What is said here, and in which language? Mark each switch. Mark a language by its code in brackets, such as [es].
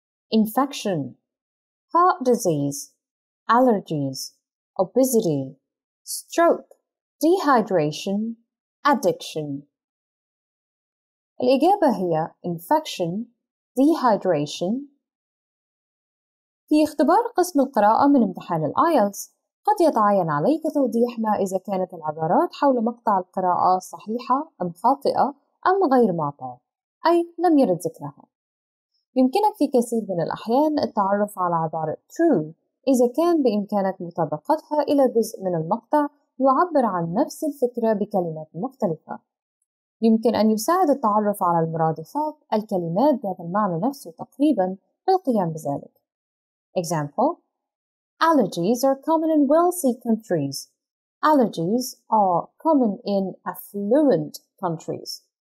[en] Infection, heart disease, allergies, obesity, stroke, dehydration, addiction. [ar] الإجابة هي [en] infection, dehydration. [ar] في اختبار قسم القراءة من امتحان الآيلتس قد يتعين عليك توضيح ما إذا كانت العبارات حول مقطع القراءة صحيحة أم خاطئة أم غير معطاة, أي لم يرد ذكرها. يمكنك في كثير من الأحيان التعرف على عبارة true إذا كان بإمكانك مطابقتها إلى جزء من المقطع يعبر عن نفس الفكرة بكلمات مختلفة. يمكن أن يساعد التعرف على المرادفات الكلمات ذات المعنى نفسه تقريباً بالقيام بذلك. [en] Example: Allergies are common in wealthy countries. Allergies are common in affluent countries.